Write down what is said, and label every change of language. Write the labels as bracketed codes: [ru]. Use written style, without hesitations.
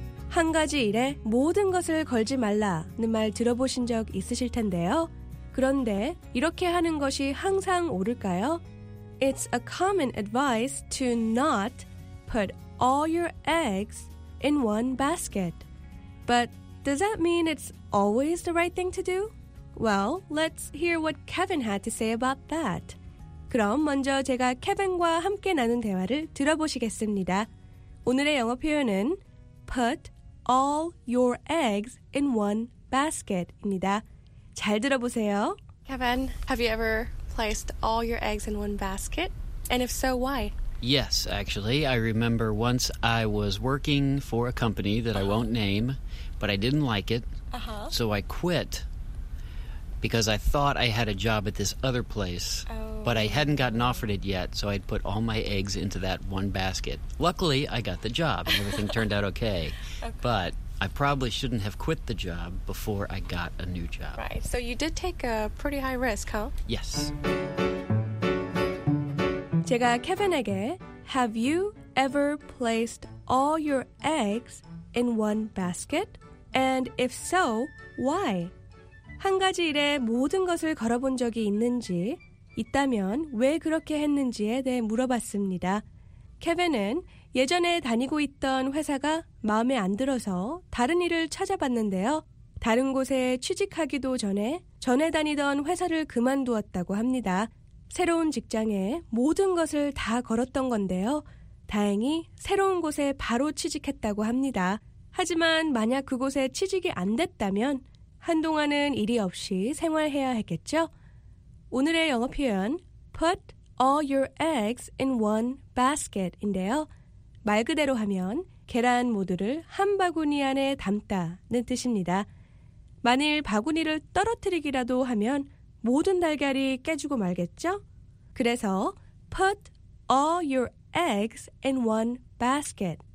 [ko] 한 가지 일에 모든 것을 걸지 말라는 말 들어보신 적 있으실 텐데요. 그런데 이렇게 하는 것이 항상 옳을까요? [en] It's a common advice to not put all your eggs in one basket. But does that mean it's always the right thing to do? Well, let's hear what Kevin had to say about that. [ko] 그럼 먼저 제가 케빈과 함께 나눈 대화를 들어보시겠습니다. 오늘의 영어 표현은 [en] put all your eggs in one basket [ko] 입니다. 잘 들어보세요. [en] Kevin, have you ever placed all your eggs in one basket? And if so, why? Yes, actually. I remember once I was working for a company that I won't name, but I didn't like it. Uh-huh. So I quit because I thought I had a job at this other place. Oh. But I hadn't gotten offered it yet, so I'd put all my eggs into that one basket. Luckily, I got the job, and everything turned out okay. But I probably shouldn't have quit the job before I got a new job. Right, so you did take a pretty high risk, huh? Yes. [ko] 제가 케빈에게, [en] Have you ever placed all your eggs in one basket? And if so, why? [ko] 한 가지 일에 모든 것을 걸어본 적이 있는지, 있다면 왜 그렇게 했는지에 대해 물어봤습니다. 케빈은 예전에 다니고 있던 회사가 마음에 안 들어서 다른 일을 찾아봤는데요. 다른 곳에 취직하기도 전에 다니던 회사를 그만두었다고 합니다. 새로운 직장에 모든 것을 다 걸었던 건데요. 다행히 새로운 곳에 바로 취직했다고 합니다. 하지만 만약 그곳에 취직이 안 됐다면 한동안은 일이 없이 생활해야 했겠죠? 오늘의 영어 표현, [en] put all your eggs in one basket [ko] 인데요. 말 그대로 하면 계란 모두를 한 바구니 안에 담다는 뜻입니다. 만일 바구니를 떨어뜨리기라도 하면 모든 달걀이 깨지고 말겠죠? 그래서 [en] put all your eggs in one basket.